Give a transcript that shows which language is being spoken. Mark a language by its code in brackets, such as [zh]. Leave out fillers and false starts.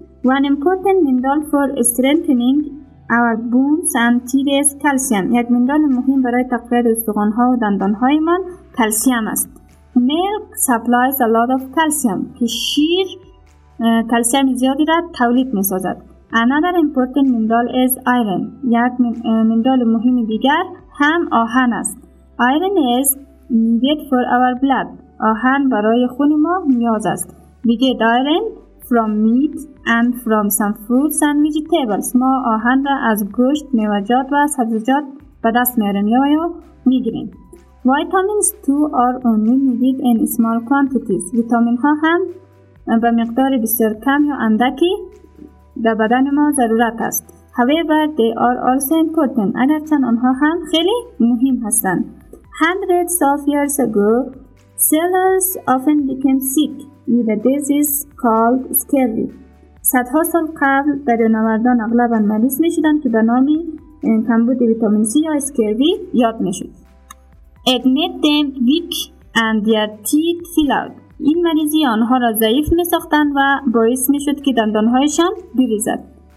[en] One important mineral for strengthening our bones and teeth is calcium. [fa] یک مینرال مهم برای تقویت استخوان‌ها و دندان‌های ما کلسیم است. [en] Milk supplies a lot of calcium. [fa] که شیر کلسیم زیادی را تولید می‌سازد. [en] Another important mineral is iron. [fa] یک مینرال مهم دیگر هم آهن است. [en] Iron is needed for our blood. [fa] آهن برای خون ما نیاز است. [en] We get iron from meat and from some fruits and vegetables. [fa] ما آهن را از گوشت، میوه‌جات و سبزیجات به دست میاریم یا میگیریم. [en] Vitamins too are only needed in small quantities. [fa] ویتامین ها هم به مقدار بسیار کم یا اندکی در بدن ما ضرورت است. [en] However, they are also important. [fa] اگرچه آنها هم خیلی مهم هستند. [en] Hundreds of years ago, sailors often became sick with a disease called scurvy. [fa] صدها سال قبل دریانوردان اغلب مریض می شدند که به نام کمبود ویتامین سی یا اسکروی یاد می شد. [en] It made them weak and their teeth fell out. [fa] این مریضی آنها را ضعیف می ساختند و باعث می شد که دندانهایشان بریزد.